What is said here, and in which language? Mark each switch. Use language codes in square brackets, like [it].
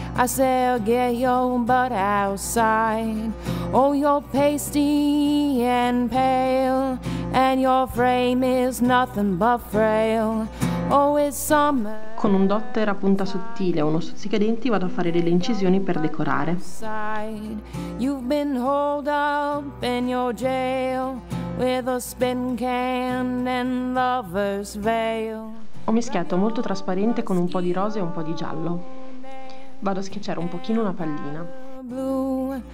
[en] I said, get your butt outside. Oh, you're pasty and pale, and your frame is nothing but frail. Oh, it's summer. [it] Con un dotter a punta sottile e uno stuzzicadenti vado a fare delle incisioni per decorare. [en] You've been holed up in your jail with a spin can and lover's veil. [it] Ho mischiato molto trasparente con un po' di rosa e un po' di giallo. Vado a schiacciare un pochino una pallina.